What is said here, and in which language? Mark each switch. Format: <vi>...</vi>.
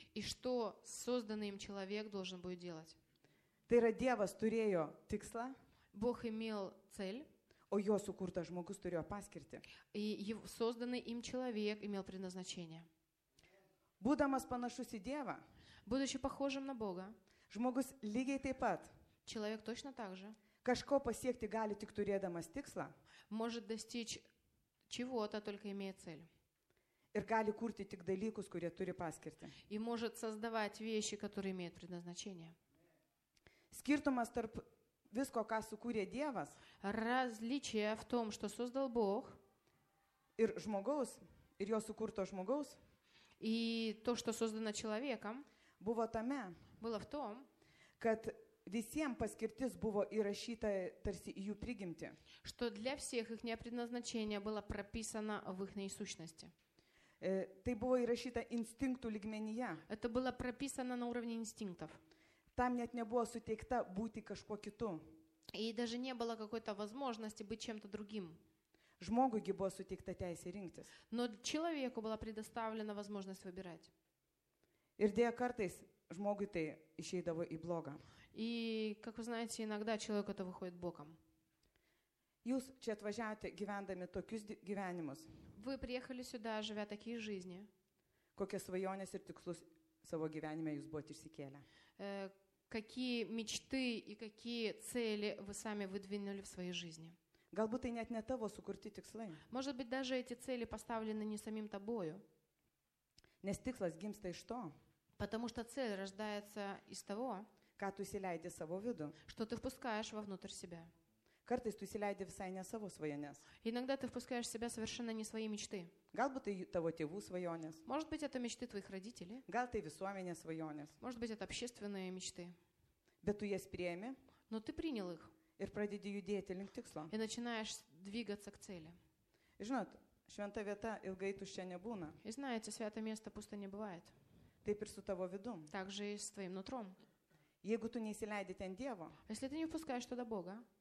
<ru>И что созданный им человек должен будет делать.</ru> <lt>Tai yra Dievas turėjo tikslą,</lt> <ru>Бог имел цель,</ru> <lt>o jo sukurtas žmogus turėjo paskirtį.</lt> <ru>И созданный им человек имел предназначение.</ru> <lt>Būdamas panašus į Dievą,</lt> <ru>будучи похожим на Бога,</ru> <lt>žmogus lygiai taip pat,</lt> <ru>человек точно так же,</ru> <lt>kažko pasiekti gali tik turėdamas tikslą,</lt> <ru>может достичь чего-то, только имея цель.</ru> <lt>Ir gali kurti tik dalykus, kurie turi paskirtį.</lt> <ru>И может создавать вещи, которые имеют предназначение.</ru> <lt>Skirtumas tarp visko, ką sukūrė Dievas,</lt> <ru>различие в том, что создал Бог,</ru> <lt>ir žmogaus, ir jo sukurto žmogaus,</lt> <ru>и то, что создано человеком,</ru> <lt>buvo tame,</lt> <ru>было в том,</ru> <lt>kad visiems paskirtis buvo įrašyta tarsi į jų prigimtį.</lt> <ru>Что для всех их предназначение было прописано в их сущности.</ru> <lt>Tai buvo įrašyta instinktų lygmenyje.</lt> <ru>Это было прописано на уровне инстинктов.</ru> <lt>Там net nebuvo suteikta būti kažkuo kitu.</lt> <ru>И даже не было какой-то возможности быть чем-то другим.</ru> <lt>Žmogui gi buvo suteikta teisė rinktis.</lt> <ru>Но человеку была предоставлена возможность выбирать.</ru> <lt>Ir deja kartais žmogui tai išeidavo į blogą.</lt> <ru>И, как вы знаете, иногда человек это выходит боком.</ru> <lt>Jūs čia atvažiavote gyvendami tokius gyvenimus.</lt> <ru>Вы приехали сюда, живя такие жизни.</ru> <lt>Kokias svajonės ir tikslus savo gyvenime jūs buvote išsikėlę?</lt> <ru>Какие мечты и какие цели вы сами выдвинули в своей жизни?</ru> <lt>Galbūt tai net ne tavo sukurti tikslai.</lt> <ru>Может быть, даже эти цели поставлены не самим тобою.</ru> <lt>Nes tikslas gimsta iš to.</lt> <ru>Потому что цель рождается из того,</ru> <lt>ką tu įsileidi savo vidų.</lt> <ru>Что ты впускаешь вовнутрь себя.</ru> <lt>Kartais tu įsileidi visai ne savo svajones.</lt> <ru>Иногда ты впускаешь в себя совершенно не свои мечты.</ru> <lt>Galbūt tai tavo tėvų svajonės.</lt> <ru>Может быть, это мечты твоих родителей.</ru> <lt>Gal tai visuomenės svajonės.</lt> <ru>Может быть, это общественные мечты.</ru> <lt>Bet tu jas priėmi.</lt> <ru>Но ты принял их.</ru> <lt>Ir pradedi judėti link tikslo.</lt> <ru>И начинаешь двигаться к цели.</ru> <lt>Žinot, šventa vieta ilgai tuščia nebūna.</lt> <ru>И знаете, святое место пусто не бывает.</ru> <lt>Taip ir su tavo vidum.</lt> <ru>Так же и с твоим нутром.</ru> <lt>Jeigu tu neįsileidi ten Dievo.</lt> <ru>Если ты не впускаешь туда Бога.</ru>